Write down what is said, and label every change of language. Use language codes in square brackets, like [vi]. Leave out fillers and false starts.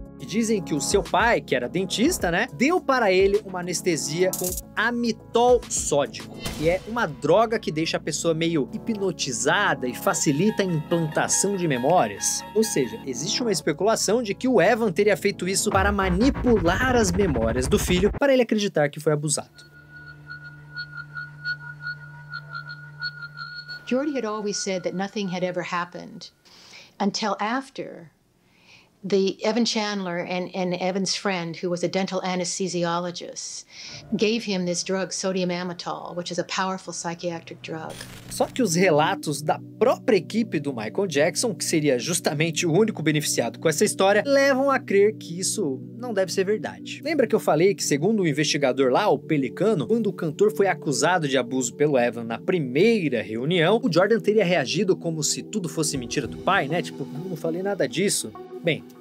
[pt] E dizem que o seu pai, que era dentista, né, deu para ele uma anestesia com amitol sódico, que é uma droga que deixa a pessoa meio hipnotizada e facilita a implantação de memórias. Ou seja, existe uma especulação de que o Evan teria feito isso para manipular as memórias do filho para ele acreditar que foi abusado. [en] Jordy had always said that nothing had ever happened until after the Evan Chandler and Evan's friend, who was a dental anesthesiologist, gave him this drug, sodium amitol, which is a powerful psychiatric drug. [pt] Só que os relatos da própria equipe do Michael Jackson, que seria justamente o único beneficiado com essa história, levam a crer que isso não deve ser verdade. Lembra que eu falei que, segundo o investigador lá, o Pelicano, quando o cantor foi acusado de abuso pelo Evan na primeira reunião, o Jordan teria reagido como se tudo fosse mentira do pai, né? Tipo, não falei nada disso. Bem,